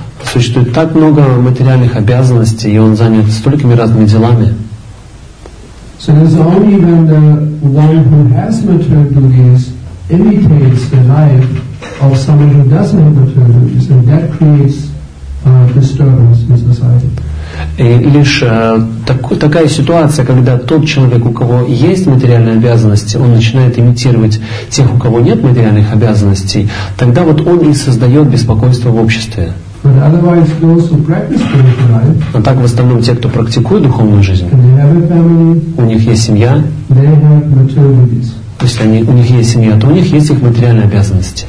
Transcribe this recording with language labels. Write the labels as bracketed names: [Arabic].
[Russian] Существует так много материальных обязанностей, и он занят столькими разными делами. [English] So there's only when the one who has material duties imitates the life of someone who doesn't have material duties, and that creates disturbance in society. [Russian] И лишь такая ситуация, когда тот человек, у кого есть материальные обязанности, он начинает имитировать тех, у кого нет материальных обязанностей, тогда вот он и создает беспокойство в обществе. [English] But otherwise, those who practice spiritual life, [Russian] а так в основном те, кто практикует духовную жизнь, у них есть семья, то есть у них есть семья, то у них есть их материальные обязанности.